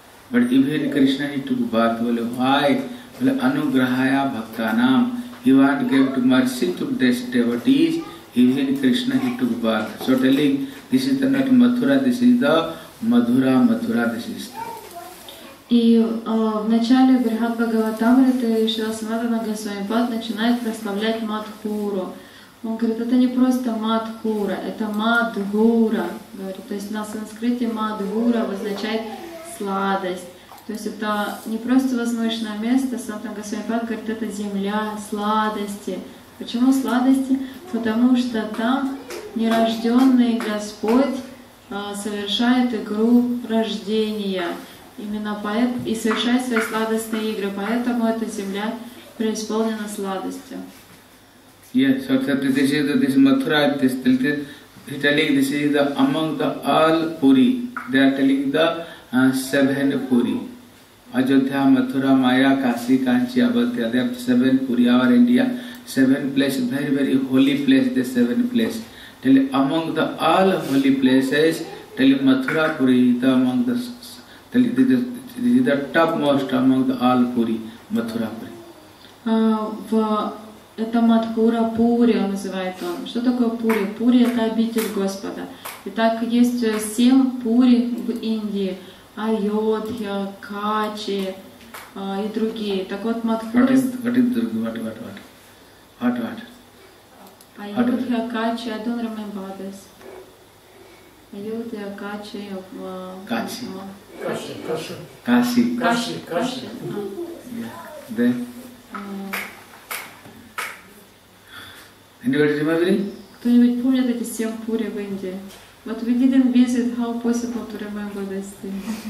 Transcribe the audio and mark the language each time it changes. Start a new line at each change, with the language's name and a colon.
English: But even Krishna, he took birth. Well, why? Well,
Sanskrit: Anugrahaya Bhaktanam.
English: He want to give to mercy to these devotees. Even Krishna, he took birth. So, telling, this is the not Mathura, this is the Madhura, Mathura, this is the.
Russian: И в начале Брихат Бхагаватамриты Шрила Санатана Госвамипад начинает прославлять Мадхуру. Он говорит, это не просто Мадхура, это Мадгура. Говорит, то есть на санскрите Мадгура означает сладость. То есть это не просто возвышенное место, Санатана Госвамипад говорит, это земля сладости. Почему сладости? Потому что там нерожденный Господь совершает игру рождения. именно поэт и совершает свои сладостные игры, поэтому эта земля преисполнена сладостью.
English: Yes, so this is this Mathura, this he telling this is the among the all puri. They are telling the seven puri. Ajodhya, Mathura, Maya, Kasi, Kanchi, Abadhyaya, they have seven puri. Our India, seven place, very very holy place. The seven place. Tell among the all holy places. Tell Mathura puri the among the. Tell this is the topmost among the all puri. Mathura puri.
Russian: Это Матхура Пури, он называет он. Что такое Пури? Пури – это обитель Господа. Итак, есть семь Пури в Индии. Айодхья, Качи и другие. Так вот, Матхура…
English: What?
Russian: Айодхья, Качи,
English: I don't remember this.
Russian: Айодхья, Качи… Качи. Каши. Каши. Каши. Да.
English: Anybody remember?
Russian: Кто-нибудь помнит эти семь пури в Индии?
English: But we didn't visit, how possible to remember this thing?